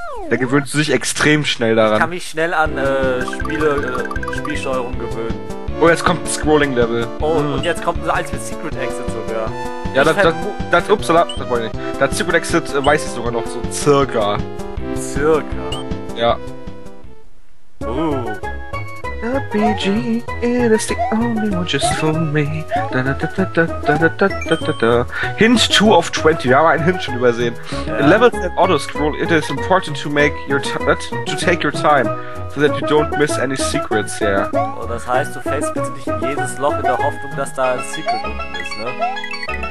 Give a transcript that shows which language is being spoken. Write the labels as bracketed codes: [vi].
[de] Da gewöhnst du dich extrem schnell daran. Ich kann mich schnell an Spielsteuerung gewöhnen. Oh, jetzt kommt ein Scrolling-Level. Oh, und jetzt kommt ein mit Secret Exit sogar. Ja, das wollte ich nicht. Das Secret Exit weiß ich sogar noch so circa. Circa? Ja. [en] The BG, it is the only one just for me. Da da da da da da da da da da da. Hint 2 of 20, [de] wir haben einen Hint schon übersehen. [en] In levels that auto-scroll, it is important to make your to take your time, so that you don't miss any secrets, yeah. [de] Oh, das heißt, du fällst bitte nicht in jedes Loch in der Hoffnung, dass da ein Secret unten ist, ne?